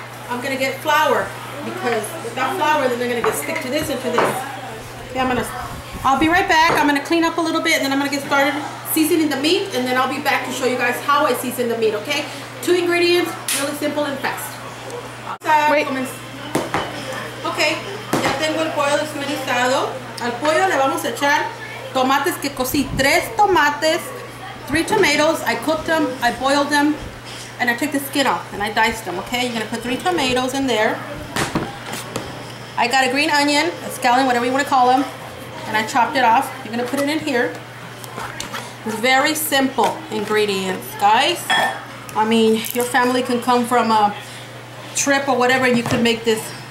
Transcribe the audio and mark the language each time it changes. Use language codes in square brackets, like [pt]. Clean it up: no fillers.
[en] I'm gonna get flour, because without flour, then they're gonna get stick to this and to this. Okay, I'll be right back. I'm gonna clean up a little bit, and then I'm gonna get started seasoning the meat, and then I'll be back to show you guys how I season the meat, okay? Two ingredients, really simple and fast. Wait. [es] Okay, ya tengo el pollo desmenuzado. Al pollo le vamos a echar tomates que cocí. Tres tomates, [en] three tomatoes. I cooked them, I boiled them, and I took the skin off and I diced them, okay? You're gonna put three tomatoes in there. I got a green onion, a scallion, whatever you wanna call them, and I chopped it off. You're gonna put it in here. It's very simple ingredients, guys. I mean, your family can come from a trip or whatever, you could make this.